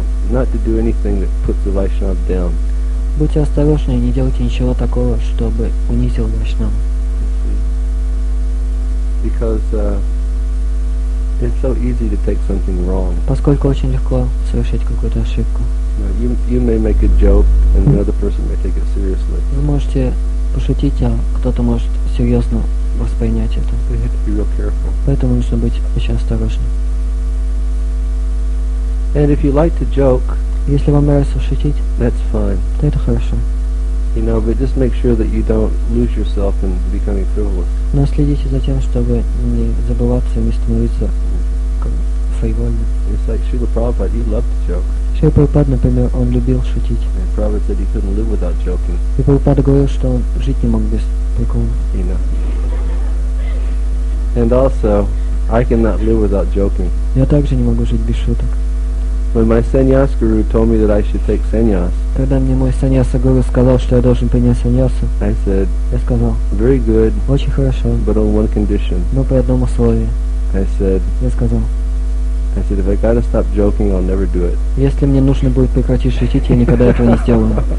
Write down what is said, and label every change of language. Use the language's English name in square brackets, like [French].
[English] Not to do anything that puts the Vaishnava down. [Russian] Будьте осторожны и не делайте ничего такого, чтобы унизил Вайшнава. [English] Because it's so easy to take something wrong. [Russian] Поскольку очень легко совершить какую-то ошибку. [English] You may make a joke and another person may take it seriously. [Russian] Вы можете пошутить, а кто-то может серьезно воспринять это. [English] You have to be real careful. [Russian] Поэтому нужно быть очень осторожным. [English] And if you like to joke, [Russian] если вам нравится шутить, [English] that's fine. [Russian] То это хорошо. [English] You know, but just make sure that you don't lose yourself in becoming frivolous. [Russian] Но следите за тем, чтобы не забываться и не становиться фривольным. [English] It's like Srila Prabhupada, he loved to joke. [Russian] Srila Prabhupada, например, он любил шутить. [English] And Prabhupada said he couldn't live without joking. [Russian] И Прабхупада говорил, что он жить не мог без прикола. [English] You know. And also, I cannot live without joking. [Russian] Я также не могу жить без шуток. [English] When my sannyas guru told me that I should take sannyas, [Russian] когда мне мой саньяса гуру сказал, что я должен принять саньясу, [English] I said, [Russian] я сказал, [English] very good, [Russian] очень хорошо, [English] but on one condition, [Russian] но при одном условии, [English] I said, if I gotta stop joking, I'll never do it. [Russian] Если мне нужно будет прекратить шутить, я никогда этого не сделаю.